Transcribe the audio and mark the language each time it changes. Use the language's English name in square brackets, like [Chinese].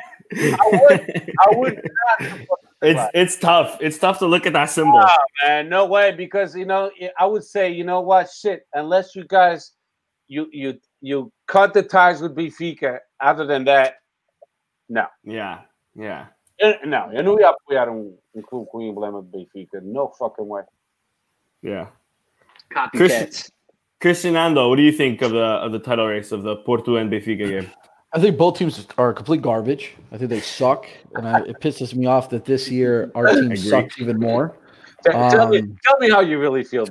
[English] It's tough. It's tough to look at that symbol. Oh, man, no way, because I would say, shit, unless you guys you cut the ties with Benfica, other than that, no. Yeah, yeah. [Portuguese] No, eu não ia apoiar com o emblema de Benfica. [English] No fucking way. Yeah. Copycats. Christian Ando, what do you think of the title race of the Porto and Benfica game? I think both teams are complete garbage. I think they suck. And it pisses me off that this year our team sucks even more. Tell me how you really feel,